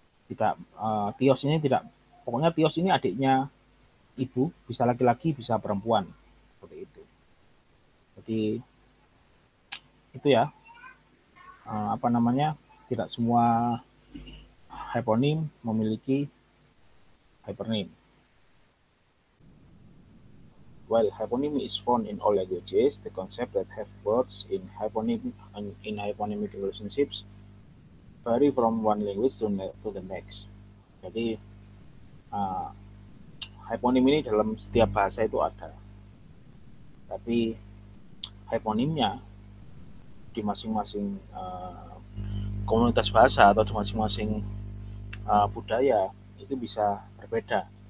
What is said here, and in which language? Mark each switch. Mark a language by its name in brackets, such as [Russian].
[Indonesian] Tidak Tios ini tidak, pokoknya Tios ini adiknya ibu, bisa laki-laki bisa perempuan seperti itu. Jadi itu ya apa namanya, tidak semua hyponim memiliki hypernim. [English] While hyponym is found in all languages, the concept that have words in hyponym in hyponymic relationships vary from one language to the next. [Indonesian] Jadi hyponim ini dalam setiap bahasa itu ada, tapi hyponimnya di masing-masing komunitas bahasa atau di masing-masing budaya itu bisa berbeda.